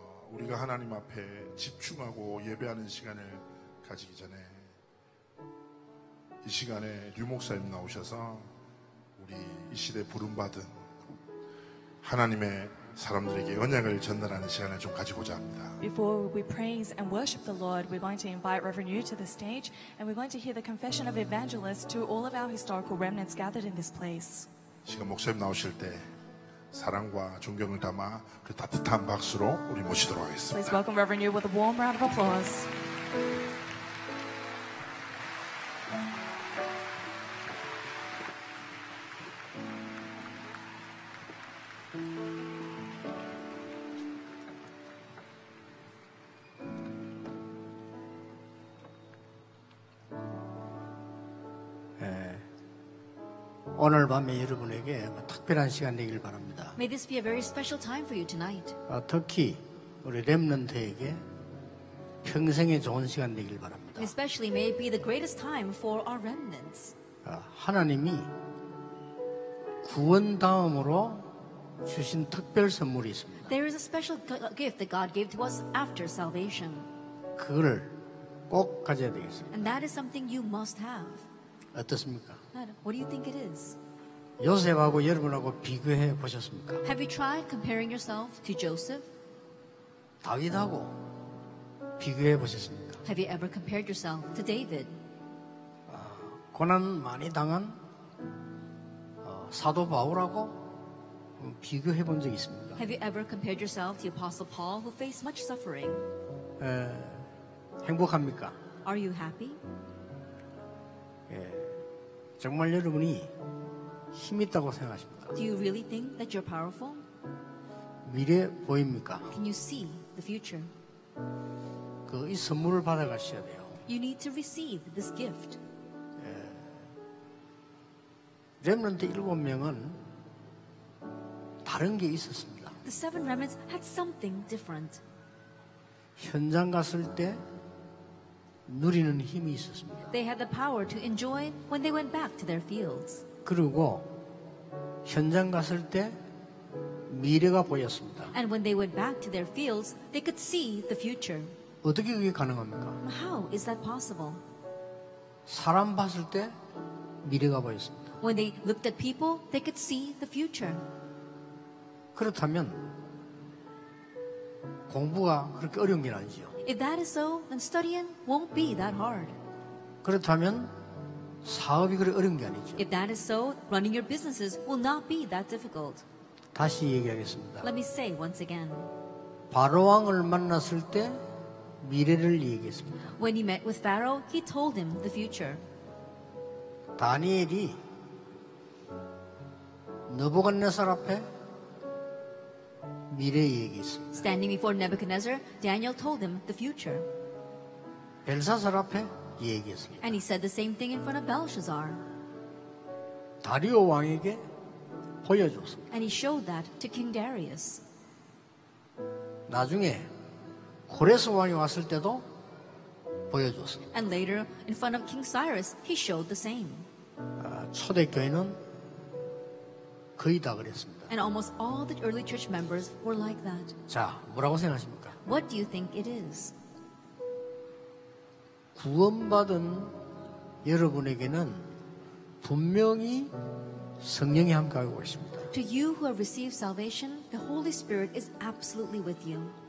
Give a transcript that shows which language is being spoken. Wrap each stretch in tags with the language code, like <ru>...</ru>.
<ko>우리가 하나님 앞에 집중하고 예배하는 시간을 가지기 전에 이 시간에 류 목사님 나오셔서 우리 이 시대 부름받은 하나님의 사람들에게 언약을 전달하는 시간을 좀 가지고자 합니다.</ko> <en>Before we praise and worship the Lord, we're going to invite Reverend Yu to the stage, and we're going to hear the confession of evangelists to all of our historical remnants gathered in this place.</en> <ko>지금 목사님 나오실 때 사랑과 존경을 담아 그 따뜻한 박수로 우리 모시도록 하겠습니다.</ko> <en>Please welcome Reverend Yu with a warm round of applause.</en> <ko>오늘 밤에 여러분에게 특별한 시간 되길 바랍니다.</ko> <en>May this be a very special time for you tonight.</en> <ko>특히 우리 렘넌트에게 평생의 좋은 시간 되길 바랍니다.</ko> <en>Especially may it be the greatest time for our remnants.</en> <ko>하나님이 구원 다음으로 주신 특별 선물이 있습니다.</ko> <en>There is a special gift that God gave to us after salvation.</en> <ko>그걸 꼭 가져야 되겠습니다.</ko> <en>And that is something you must have.</en> <ko>어떻습니까?</ko> <en>What do you think it is?</en> <ko>요셉하고 여러분하고 비교해 보셨습니까?</ko> <en>Have you tried comparing yourself to Joseph?</en> <ko>다윗하고 비교해 보셨습니까?</ko> <en>Have you ever compared yourself to David?</en> <ko>고난 많이 당한 사도 바울하고 비교해 본 적 있습니까?</ko> <en>Have you ever compared yourself to the Apostle Paul who faced much suffering?</en> <ko>행복합니까?</ko> <en>Are you happy?</en> <ko>정말 여러분이 힘 있다고 생각하십니까?</ko> <en>Do you really think that you're powerful?</en> <ko>미래 보입니까?</ko> <en>Can you see the future?</en> <ko>그 이 선물을 받아 가셔야 돼요.</ko> <en>You need to receive this gift.</en> <ko>렘넌트 일곱 명은 다른 게 있었습니다.</ko> <en>The seven remnants had something different.</en> <ko>현장 갔을 때 누리는 힘이 있었습니다.</ko> <en>They had the power to enjoy when they went back to their fields.</en> <ko>그리고 현장 갔을 때 미래가 보였습니다.</ko> <en>And when they went back to their fields, they could see the future.</en> <ko>어떻게 그게 가능합니까?</ko> <en>How is that possible?</en> <ko>사람 봤을 때 미래가 보였습니다.</ko> <en>When they looked at people, they could see the future.</en> <ko>그렇다면 공부가 그렇게 어려운 게 아니지요.</ko> <en>If that is so, then studying won't be that hard.</en> <ko>그렇다면 사업이 그렇게 어려운 게 아니죠.</ko> <en>If that is so, running your businesses will not be that difficult.</en> <ko>다시 얘기하겠습니다.</ko> <en>Let me say once again.</en> <ko>바로왕을 만났을 때 미래를 얘기했습니다.</ko> <en>When he met with Pharaoh, he told him the future.</en> <ko>다니엘이 느부갓네살 앞에 미래의 얘기했습니다.</ko> <en>Standing before Nebuchadnezzar, Daniel told him the future.</en> <ko>벨사살 앞에 얘기했습니다.</ko> <en>And he said the same thing in front of Belshazzar.</en> <ko>다리오 왕에게 보여줬습니다.</ko> <en>And he showed that to King Darius.</en> <ko>나중에 고레스 왕이 왔을 때도 보여줬습니다.</ko> <en>And later, in front of King Cyrus, he showed the same.</en> <ko>초대교회는 거의 다 그랬습니다.</ko> <en>And almost all the early church members were like that.</en> <ko>자, 뭐라고 생각하십니까?</ko> <en>What do you think it is?</en> <ko>구원받은 여러분에게는 분명히 성령이 함께하고 있습니다.</ko> <en>To you who have received salvation, the Holy Spirit is absolutely with you.</en>